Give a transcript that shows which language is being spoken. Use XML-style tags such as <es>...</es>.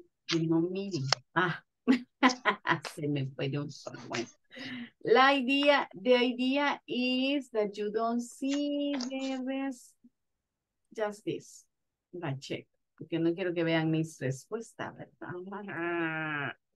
<es>Y no mire. Ah, se me fue de un solo. Bueno,</es> <en>The idea is that you don't see the rest, just this, but check.</en> <es>Porque no quiero que vean mis respuestas, ¿verdad?</es>